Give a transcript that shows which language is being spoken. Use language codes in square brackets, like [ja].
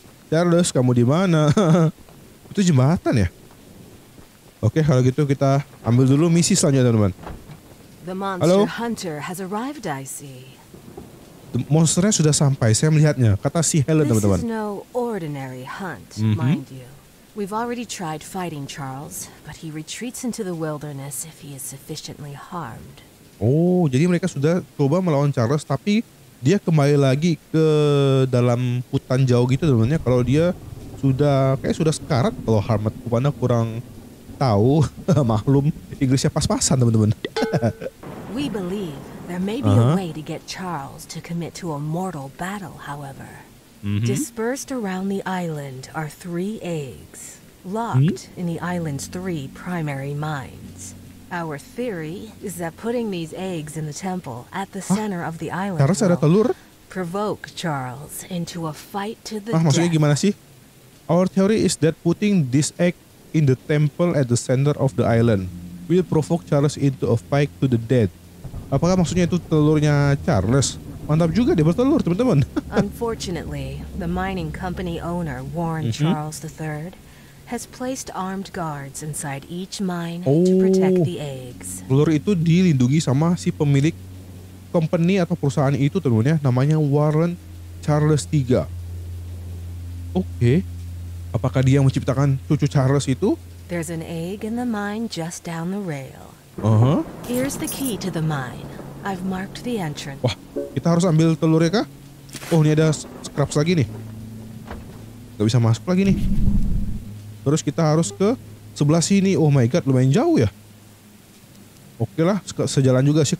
[id] Charles, kamu di mana? Itu jembatan ya? Oke, kalau gitu kita ambil dulu misi selanjutnya, teman-teman. [en] The monster hunter has arrived, I see. [id] Monsternya sudah sampai, saya melihatnya. Kata si Helen, teman-teman. [en] This is no ordinary hunt, mind you. We've already tried fighting Charles, but he retreats into the wilderness if he is sufficiently harmed. [id] Oh, jadi mereka sudah coba melawan Charles, tapi dia kembali lagi ke dalam hutan jauh gitu, teman-teman. Kalau dia sudah kayak sudah sekarat, kalau harmed, Bupana kurang tahu, maklum Inggrisnya pas-pasan, teman-teman. [en] We believe there may be a way to get Charles to commit to a mortal battle, however. Dispersed around the island are three eggs, locked in the island's three primary mines. Our theory is that putting these eggs in the temple at the center of the island will provoke Charles into a fight to the death. [id] Maksudnya gimana sih? [en] Our theory is that putting this egg in the temple at the center of the island will provoke Charles into a fight to the death. [id] Apakah maksudnya itu telurnya Charles? Mantap juga dia bertelur, teman-teman. [en] Unfortunately, the mining company owner Warren Charles III has placed armed guards inside each mine to protect the eggs. [id] Ulur itu dilindungi sama si pemilik company atau perusahaan itu teman-teman, namanya Warren Charles III. Oke. Apakah dia yang menciptakan cucu Charles itu? [en] There's an egg in the mine just down the rail. Uh-huh. Here's the key to the mine. I've marked the entrance. [id] Wah, kita harus ambil telurnya kah? Oh, ini ada scraps lagi nih. Gak bisa masuk lagi nih. Terus kita harus ke sebelah sini. [en] Oh my god, [id] lumayan jauh ya. Oke lah, sejalan juga sih.